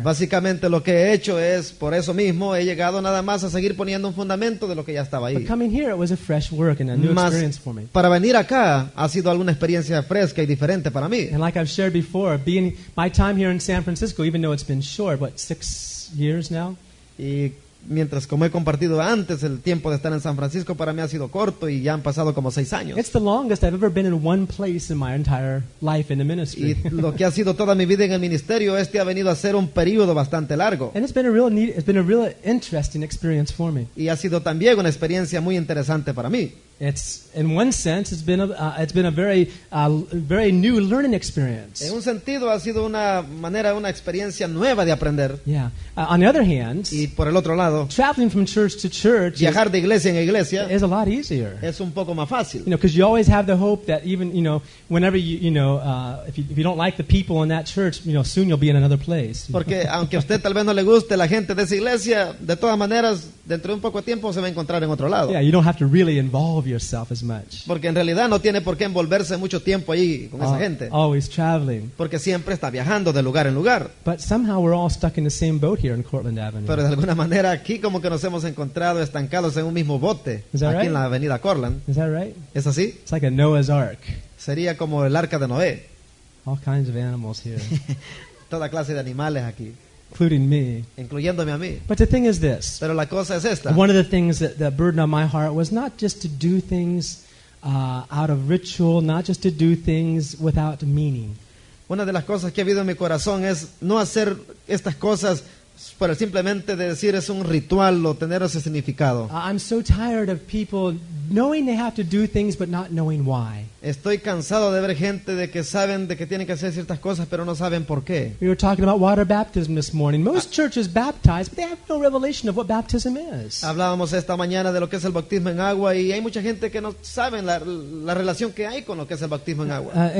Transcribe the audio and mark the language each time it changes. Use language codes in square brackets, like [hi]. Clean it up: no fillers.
[es] Básicamente lo que he hecho es por eso mismo he llegado nada más a seguir poniendo un fundamento de lo que ya estaba ahí. [en] But coming here, it was a fresh work and a new experience for me. [es] Para venir acá ha sido alguna experiencia fresca y diferente para mí. [en] And like I've shared before, being my time here in San Francisco, even though it's been short, what, 6 years now? [es] Y mientras como he compartido antes, el tiempo de estar en San Francisco para mí ha sido corto y ya han pasado como 6 años. [en] It's the longest I've ever been in one place in my entire life in the ministry. [es] Y lo que ha sido toda mi vida en el ministerio, este ha venido a ser un periodo bastante largo. [en] And it's been a real interesting experience for me. [es] Y ha sido también una experiencia muy interesante para mí. [en] It's, in one sense, it's been a very new learning experience. [es] En un sentido ha sido una manera, una experiencia nueva de aprender. [en] Yeah. On the other hand, [es] y por el otro lado, [en] traveling from church to church, [es] viajar de iglesia en iglesia, [en] is a lot easier. [es] Es un poco más fácil. [en] You know, because you always have the hope that even you know, whenever if you don't like the people in that church, you know, soon you'll be in another place. [es] Porque aunque usted tal vez no le guste la gente de esa iglesia, de todas maneras dentro de un poco de tiempo se va a encontrar en otro lado. [en] Yeah, you don't have to really involve yourself as much. [es] Porque en realidad no tiene por qué envolverse mucho tiempo ahí con esa gente. [en] Always traveling. [es] Porque siempre está viajando de lugar en lugar. [en] But somehow we're all stuck in the same boat here in Cortland Avenue. [es] Pero de alguna manera aquí como que nos hemos encontrado estancados en un mismo bote. [en] Is that [es] aquí [en] right? [es] En la avenida Cortland. [en] Is that right? [es] ¿Es así? [en] It's like a Noah's Ark. [es] Sería como el arca de Noé. [en] All kinds of animals here. [es] Toda clase de animales aquí. [en] Including me. [es] Incluyéndome a mí. [en] But the thing is this. [es] Pero la cosa es esta. [en] One of the things that burdened on my heart was not just to do things out of ritual, not just to do things without meaning. [es] Una de las cosas que ha habido en mi corazón es no hacer estas cosas por el simplemente de decir es un ritual o tener ese significado. [en] I'm so tired of people knowing they have to do things but not knowing why. [es] Estoy cansado de ver gente de que saben de que tienen que hacer ciertas cosas pero no saben por qué. [en] We were talking about water baptism this morning. Most churches baptize but they have no revelation of what baptism is. [es] Hablábamos esta mañana de lo que es el bautismo en agua y hay mucha gente que no saben la relación que hay con lo que es el bautismo en agua.